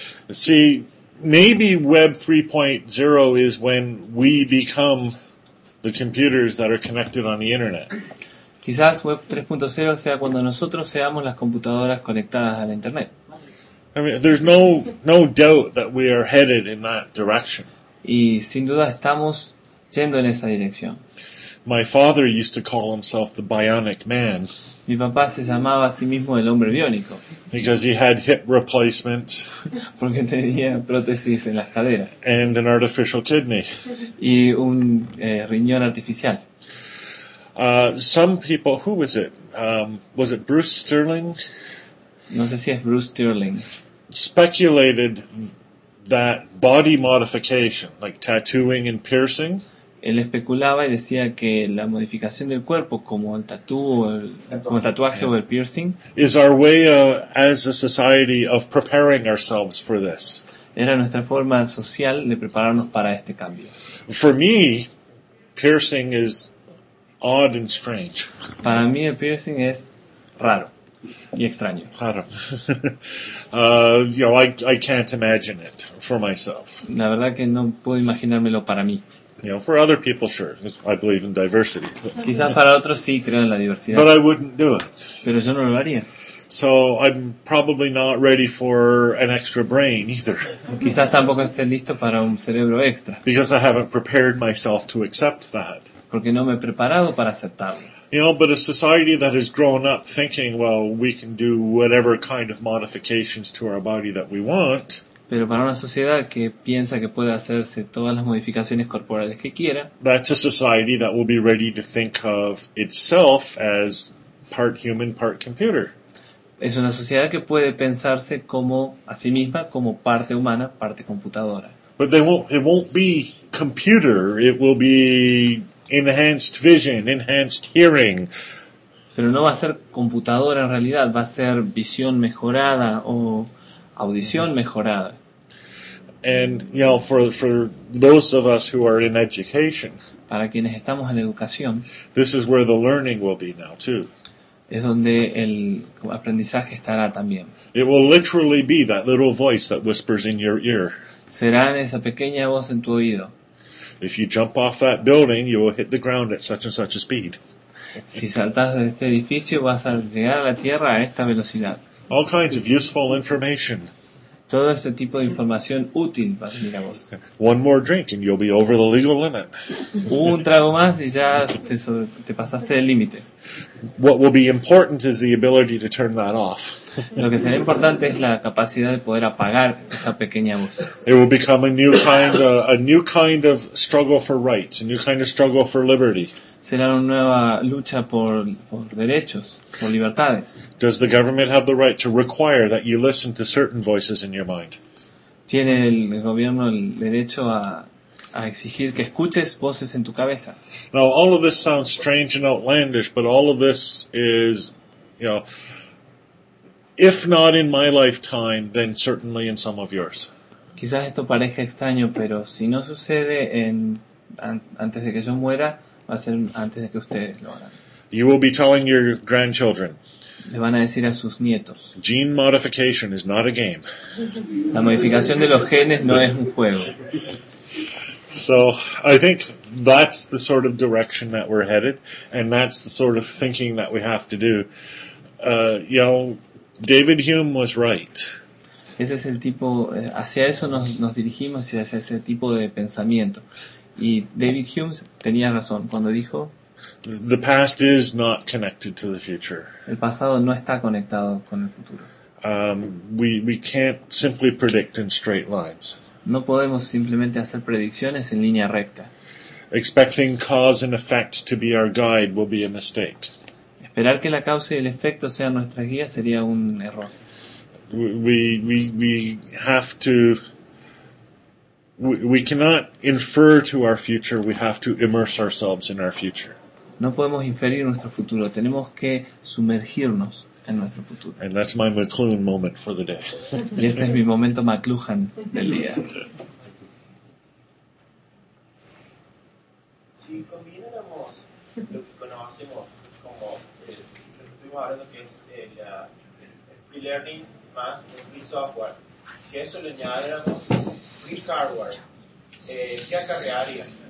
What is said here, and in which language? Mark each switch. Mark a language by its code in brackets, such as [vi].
[en] See, maybe Web 3.0 is when we become the computers that are connected on the internet. [es] Quizás Web 3.0 sea cuando nosotros seamos las computadoras conectadas a la internet. [en] I mean, there's no doubt that we are headed in that direction. [es] Y sin duda estamos yendo en esa dirección. [en] My father used to call himself the bionic man. [es] Mi papá se llamaba a sí mismo el hombre biónico. [en] Because he had hip replacement. [es] Porque tenía prótesis en las caderas. [en] And an artificial kidney. [es] Y un riñón artificial. [en] Some people, who was it? Was it Bruce Sterling? [es] No sé si es Bruce Sterling. [en] Speculated that body modification, like tattooing and piercing. [es] Él especulaba y decía que la modificación del cuerpo, como el tatuo, como el tatuaje o el piercing, [en] is our way as a society of preparing ourselves for this. [es] Era nuestra forma social de prepararnos para este cambio. [en] For me, piercing is odd and strange. [es] Para mí el piercing es raro y extraño. Claro. [en] I can't imagine it for myself. [es] La verdad que no puedo imaginármelo para mí. [en] You know, for other people, sure. I believe in diversity. [es] Quizás para otros sí creo en la diversidad. [en] But I wouldn't do it. [es] Pero yo no lo haría. [en] So I'm probably not ready for an extra brain either. [es] Quizás tampoco esté listo para un cerebro extra. [en] Because I haven't prepared myself to accept that. [es] Porque no me he preparado para aceptarlo. [en] You know, but a society that has grown up thinking, well, we can do whatever kind of modifications to our body that we want. [es] Pero para una sociedad que piensa que puede hacerse todas las modificaciones corporales que quiera, [en] that's a society that will be ready to think of itself as part human, part computer. [es] Es una sociedad que puede pensarse como a sí misma como parte humana, parte computadora. [en] But they won't, it won't be computer, it will be enhanced vision, enhanced hearing. [es] Pero no va a ser computadora en realidad, va a ser visión mejorada o audición mejorada. [en] And you know, for those of us who are in education, [es] para quienes estamos en educación, [en] this is where the learning will be now too. [es] Es donde el aprendizaje estará también. [en] It will literally be that little voice that whispers in your ear. [es] Será esa pequeña voz en tu oído. [en] If you jump off that building, you will hit the ground at such and such a speed. [es] Si saltas de este edificio, vas a llegar a la tierra a esta velocidad. [en] All kinds of useful information. [es] Todo ese tipo de información útil para mí, digamos. [en] One more drink and you'll be over the legal limit. [es] Un trago más y ya te pasaste del límite. [en] What will be important is the ability to turn that off. [es] Lo que será importante es la capacidad de poder apagar esa pequeña voz. [en] It will become a new kind of struggle for rights, a new kind of struggle for liberty. [es] Será una nueva lucha por derechos, por libertades. [en] Does the government have the right to require that you listen to certain voices in your mind? [es] ¿Tiene el gobierno el derecho a exigir que escuches voces en tu cabeza? [en] Now, all of this sounds strange and outlandish, but all of this is, you know, if not in my lifetime, then certainly in some of yours. [es] Quizás esto parezca extraño, pero si no sucede antes de que yo muera, va a ser antes de que ustedes lo hagan. [en] You will be telling your grandchildren. [es] Le van a decir a sus nietos. [en] Gene modification is not a game. [es] La modificación de los genes no es un juego. [en] So, I think that's the sort of direction that we're headed, and that's the sort of thinking that we have to do. David Hume was right. [es] Ese es el tipo, hacia eso nos dirigimos, y hacia ese tipo de pensamiento. Y David Hume tenía razón cuando dijo, [en] the past is not connected to the future. [es] El pasado no está conectado con el futuro. [en] We can't simply predict in straight lines. [es] No podemos simplemente hacer predicciones en línea recta. [en] Expecting cause and effect to be our guide will be a mistake. [es] Esperar que la causa y el efecto sean nuestras guías sería un error. [en] We cannot infer to our future, we have to immerse ourselves in our future. [es] No podemos inferir nuestro futuro. Tenemos que sumergirnos en nuestro futuro. [en] And that's my McLuhan moment for the day. [es] Y este es mi momento McLuhan del día. Si combináramos lo que conocemos como lo que estuvimos hablando, que es el free learning más el free software, si eso lo añadiéramos free hardware, ¿qué acarrearía?